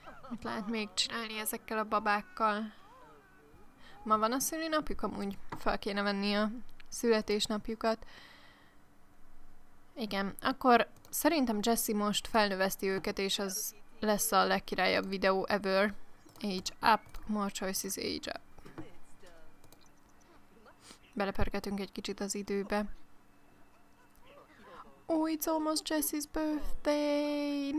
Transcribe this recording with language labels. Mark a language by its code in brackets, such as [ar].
[hu] Mit lehet még csinálni ezekkel a babákkal? Ma van a szülinapjuk, amúgy fel kéne venni a születésnapjukat. Igen, akkor szerintem Jesse most felnöveszti őket, és az lesz a legkirályabb videó ever. [en] Age up, more choices, age up. [hu] Belepörgetünk egy kicsit az időbe. [en] Oh, it's almost Jesse's birthday!